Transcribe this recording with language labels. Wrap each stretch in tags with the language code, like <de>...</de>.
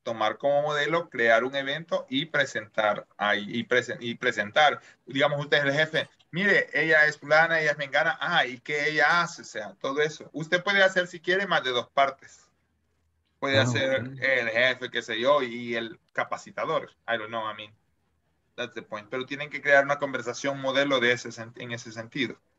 <es>Tomar como modelo, crear un evento y presentar ahí y presentar, digamos usted es el jefe. Mire, ella es fulana, ella es mengana. Ah, ¿y qué ella hace? O sea, todo eso. Usted puede hacer si quiere más de dos partes. Puede hacer el jefe, qué sé yo, y el capacitador.</es> <en>I don't know, I mean, that's the point.</en> <es>Pero tienen que crear una conversación modelo de ese en ese sentido.</es>